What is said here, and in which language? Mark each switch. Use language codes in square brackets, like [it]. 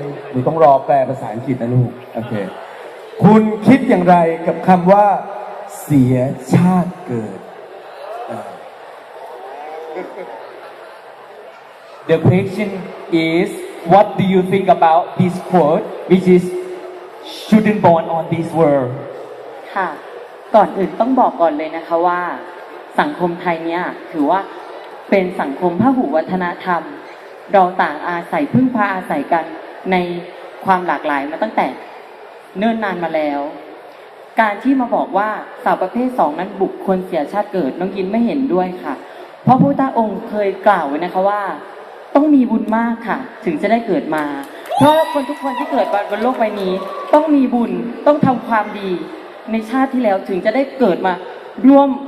[th] หนูต้องรอแปลภาษาอังกฤษนะลูก โอเคคุณคิดอย่างไรกับคำว่าเสียชาติเกิด [en] The question is what do you think about this quote which is shouldn't born on this world [th] ค่ะก่อนอื่นต้องบอกก่อนเลยนะคะว่าสังคมไทยเนี่ยถือว่าเป็นสังคมพหุวัฒนธรรมเราต่างอาศัยพึ่งพาอาศัยกันในความหลากหลายมาตั้งแต่เนิ่นนานมาแล้ว การที่มาบอกว่าสาวประเภท2นั้นบุคคลเสียชาติเกิดน้องยินไม่เห็นด้วยค่ะเพราะพระพุทธองค์เคยกล่าวไว้นะคะว่าต้องมีบุญมากค่ะถึงจะได้เกิดมาเพราะคนทุกคนที่เกิดมาบนโลกใบนี้ต้องมีบุญต้องทำความดีในชาติที่แล้วถึงจะได้เกิดมาร่